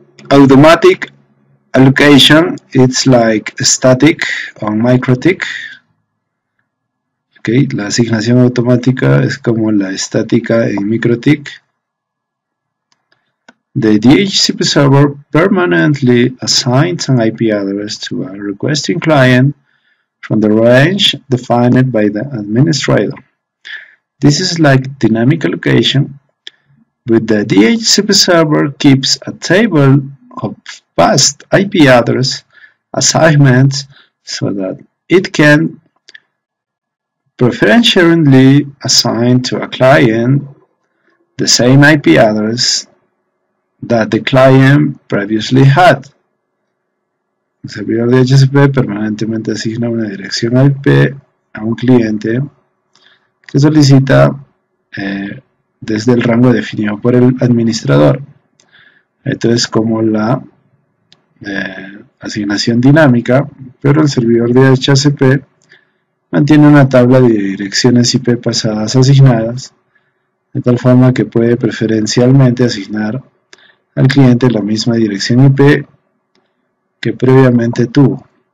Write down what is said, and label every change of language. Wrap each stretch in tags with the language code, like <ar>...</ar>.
<en>Automatic. Allocation, it's like static on MikroTik.</en> <es>Okay, la asignación automática es como la estática en MikroTik.</es> <en>The DHCP server permanently assigns an IP address to a requesting client from the range defined by the administrator. This is like dynamic allocation, but the DHCP server keeps a table of past IP address assignments so that it can preferentially assign to a client the same IP address that the client previously had.</en> <es>El servidor DHCP permanentemente asigna una dirección IP a un cliente que solicita desde el rango definido por el administrador. Esto es como la asignación dinámica, pero el servidor DHCP mantiene una tabla de direcciones IP pasadas asignadas, de tal forma que puede preferencialmente asignar al cliente la misma dirección IP que previamente tuvo.</es>